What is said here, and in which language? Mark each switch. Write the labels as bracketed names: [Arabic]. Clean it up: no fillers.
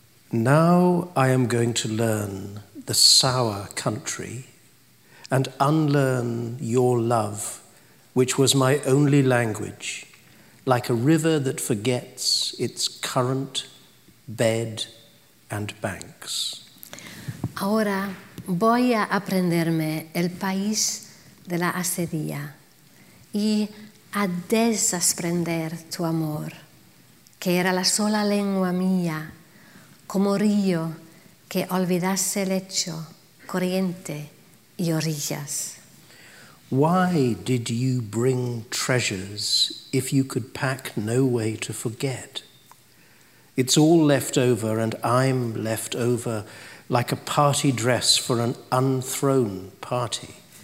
[English] Now I am going to learn the sour country and unlearn your love, which was my only language, like a river that forgets its current, bed, and banks. [Spanish] Ahora voy a aprenderme el país de la acería y a desaprender tu amor, que era la sola lengua mía, como río que olvidase lecho, corriente y orillas. [English] Why did you bring treasures if you could pack no way to forget? It's all left over and I'm left over like a party dress for an unthrown party.